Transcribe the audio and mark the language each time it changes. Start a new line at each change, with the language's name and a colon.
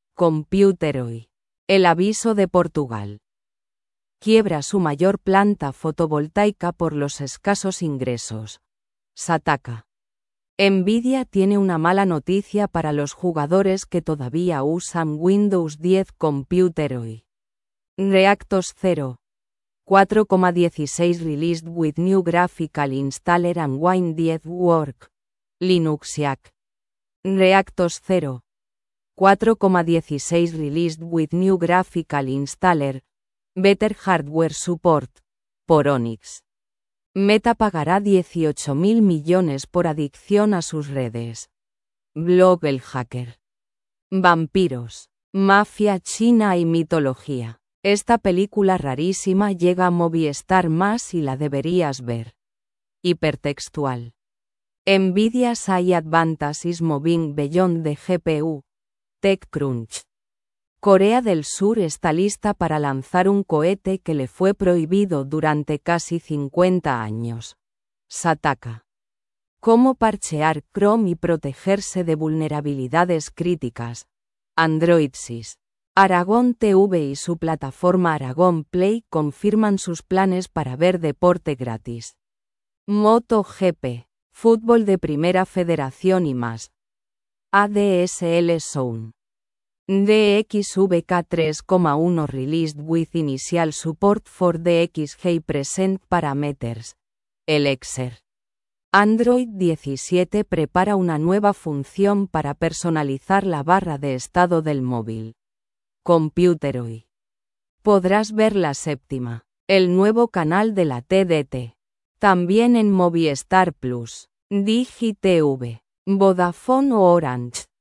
Spanish: Computer hoy. El aviso de Portugal. Quiebra su mayor planta fotovoltaica por los escasos ingresos. Sataka. Nvidia tiene una mala noticia para los jugadores que todavía usan Windows 10. Computer hoy.
English: Reactos 0.4.16 released with new graphical installer and Wine 10 work. Linuxiac. Reactos 0.4.16 released with new graphical installer. Better hardware support.
Spanish: Por
English: Onyx.
Spanish: Meta pagará 18.000 millones por adicción a sus redes. Blog el hacker. Vampiros. Mafia china y mitología. Esta película rarísima llega a Movistar más y la deberías ver. Hipertextual.
English: Nvidia's AI Advantage is moving beyond the GPU. TechCrunch.
Spanish: Corea del Sur está lista para lanzar un cohete que le fue prohibido durante casi 50 años. Sataka. ¿Cómo parchear Chrome y protegerse de vulnerabilidades críticas? AndroidSys. Aragón TV y su plataforma Aragón Play confirman sus planes para ver deporte gratis. MotoGP, fútbol de Primera Federación y más. ADSL Zone.
English: DXVK 3.1 Released with Initial Support for DXG Present Parameters. Elixir.
Spanish: Android 17 prepara una nueva función para personalizar la barra de estado del móvil. ComputerOi. Podrás ver La Séptima, el nuevo canal de la TDT. También en Movistar Plus, DigiTV, Vodafone o Orange.